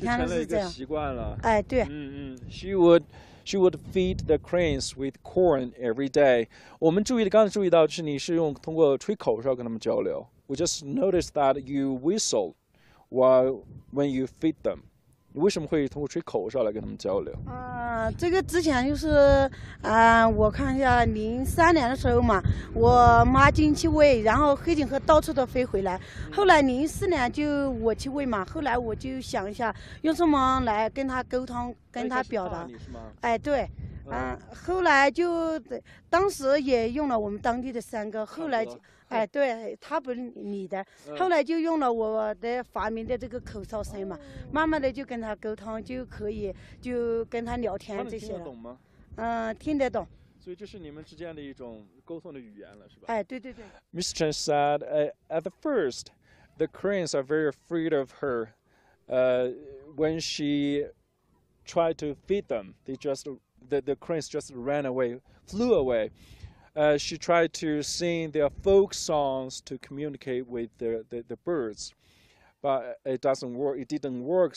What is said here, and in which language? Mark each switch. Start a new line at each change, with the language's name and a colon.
Chinese: 哎，对，是每天都要来的，每天就是11点钟我都来喂它，然后跟它交流一下，就是，哎，每天都是这样。
English: She would feed the cranes with corn every day.
Chinese: 我们注意的，刚才注意到，就是你是用通过吹口哨跟他们交流。
English: We just noticed that you whistle while when you feed them.
Chinese: 你为什么会通过吹口哨来跟他们交流？这个之前就是，我看一下03年的时候嘛，我妈经期喂，然后黑颈鹤到处都飞回来。后来04年就我去喂嘛，后来我就想一下用什么来跟它沟通，跟它表达。哎，对，后来就当时也用了我们当地的三个，后来，哎，对，他不理的。后来就用了我的发明的这个口哨声嘛，慢慢的就跟它沟通，就可以就跟它聊天这些。他们听得懂吗？听得懂。所以这是你们之间的一种沟通的语言了，是吧？哎，对对对。Ms.
English: Chen said, at the first, the Koreans are very afraid of her. When she tried to feed them, they just the Koreans just ran away, flew away. She tried to sing their folk songs to communicate with the birds, but it doesn't work. It didn't work.